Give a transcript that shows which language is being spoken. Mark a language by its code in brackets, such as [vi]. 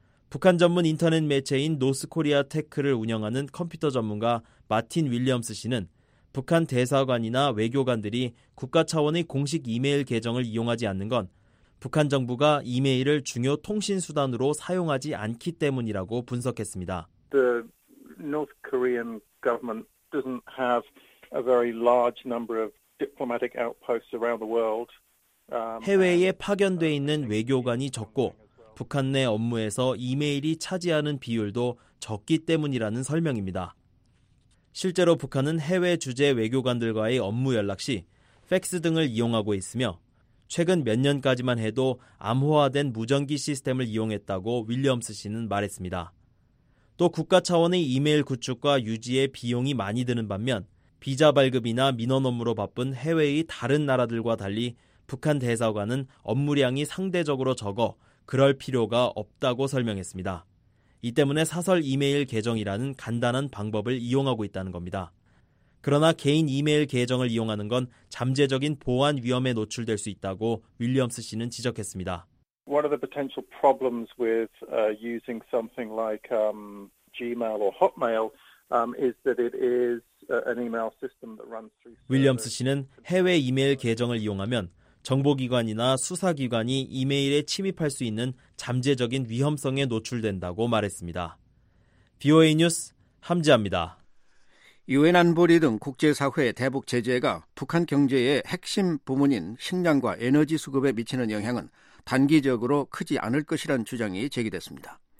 [ko] 북한 전문 인터넷 매체인 노스코리아 테크를 운영하는 컴퓨터 전문가 마틴 윌리엄스 씨는 북한 대사관이나 외교관들이 국가 차원의 공식 이메일 계정을 이용하지 않는 건 북한 정부가 이메일을 중요 통신 수단으로 사용하지 않기 때문이라고 분석했습니다. [en] The North Korean government doesn't have a very large number of diplomatic outposts around the world. [ko] 해외에 파견돼 있는 외교관이 적고 북한 내 업무에서 이메일이 차지하는 비율도 적기 때문이라는 설명입니다. 실제로 북한은 해외 주재 외교관들과의 업무 연락 시 팩스 등을 이용하고 있으며 최근 몇 년까지만 해도 암호화된 무전기 시스템을 이용했다고 윌리엄스 씨는 말했습니다. 또 국가 차원의 이메일 구축과 유지에 비용이 많이 드는 반면 비자 발급이나 민원 업무로 바쁜 해외의 다른 나라들과 달리 북한 대사관은 업무량이 상대적으로 적어 그럴 필요가 없다고 설명했습니다. 이 때문에 사설 이메일 계정이라는 간단한 방법을 이용하고 있다는 겁니다. 그러나 개인 이메일 계정을 이용하는 건 잠재적인 보안 위험에 노출될 수 있다고 윌리엄스 씨는 지적했습니다. [en] One of the potential problems with using something like Gmail or Hotmail is that it is an email system that runs through. [ko] 윌리엄스 씨는 해외 이메일 계정을 이용하면 정보기관이나 수사기관이 이메일에 침입할 수 있는 잠재적인 위험성에 노출된다고 말했습니다. VOA 뉴스 함지아입니다. 유엔 안보리 등 국제사회의 대북 제재가 북한 경제의 핵심 부문인 식량과 에너지 수급에 미치는 영향은 단기적으로 크지 않을 것이라는 주장이 제기됐습니다.